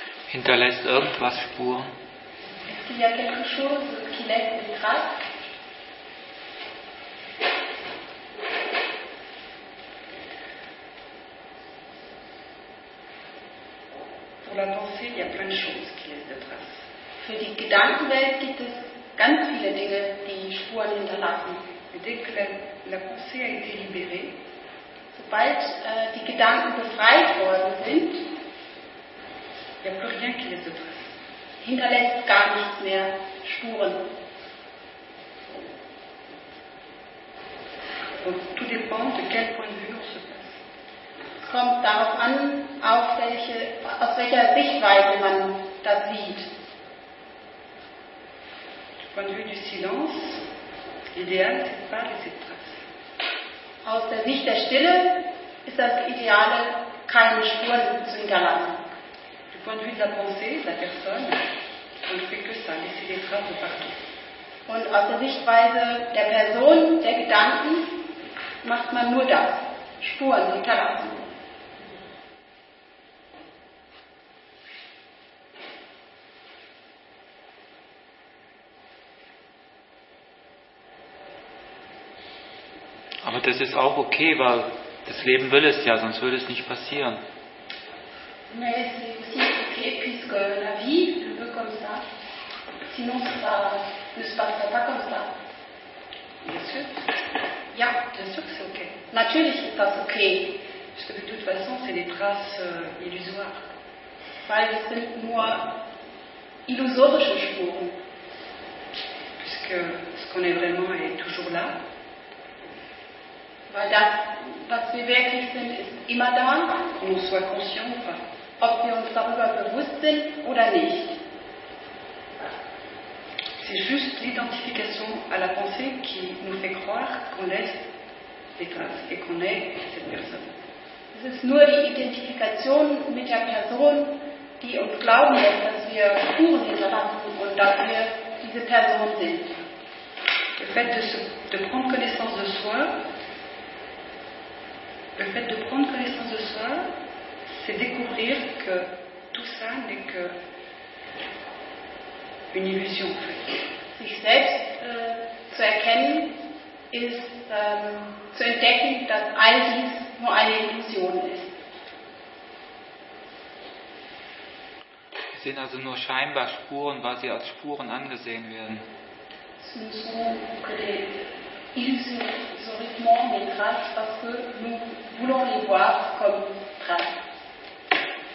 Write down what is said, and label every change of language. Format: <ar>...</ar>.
<de>Hinterlässt irgendwas Spuren? Ist ja</de> <fr>quelque chose qui laisse des traces? Pour la pensée, il y a plein de choses qui laissent des traces.</fr> <de>Für die Gedankenwelt gibt es ganz viele Dinge, die Spuren hinterlassen.</de> <fr>Dès que la pensée a été libérée,</fr> <de>sobald die Gedanken befreit worden sind,</de> <fr>il n'y a plus rien qui laisse de trace.</fr> <de>Hinterlässt gar nicht mehr Spuren.</de> <fr>Donc, tout dépend de quel point de vue on se place.</fr> <de>Es kommt darauf an, aus welcher Sichtweise man das sieht.</de> <fr>Du point de vue du silence, l'idéal, c'est pas laisser de trace.</fr> <de>Aus der Sicht der Stille ist das Ideale, keine Spuren zu hinterlassen.</de> <fr>Du point de vue de la pensée, de la personne, on ne fait que ça, laisser des traces partout.</fr> <de>Und aus der Sichtweise der Person, der Gedanken, macht man nur das, Spuren hinterlassen. Aber das ist auch okay, weil das Leben will es ja, sonst würde es nicht passieren.</de> <fr>Mais c'est aussi ok puisque la vie le veut comme ça, sinon ça ne se passerait pas comme ça. Bien sûr.</fr> <de>Ja.</de> <fr>Bien sûr que c'est ok.</fr> <de>Natürlich ist das ok.</de> <fr>Parce que de toute façon, c'est des traces illusoires.</fr> <de>weil es sind nur illusorische Spuren.</de> <fr>Puisque ce qu'on est vraiment est toujours là.</fr> <de>Weil das, was wir wirklich sind, ist immer da.</de> <fr>Qu'on soit conscient ou pas.</fr> <de>Ob wir uns darüber bewusst sind oder nicht.</de> <fr>C'est juste l'identification à la pensée qui nous fait croire qu'on laisse des traces et qu'on est cette personne.</fr> <de>Es ist nur die Identifikation mit der Person, die uns glauben lässt, dass wir Spuren hinterlassen und dass wir diese Person sind.</de> <fr>Le fait de prendre connaissance de soi, le fait de prendre connaissance de soi, c'est découvrir que tout ça n'est que une illusion.</fr> <de>Sich selbst zu erkennen, ist zu entdecken, dass all dies nur eine Illusion ist. Es sind also nur scheinbar Spuren, weil sie als Spuren angesehen werden. Es sind so,</de> <fr>que des illusions, des traces, parce que nous voulons les voir comme traces.</fr>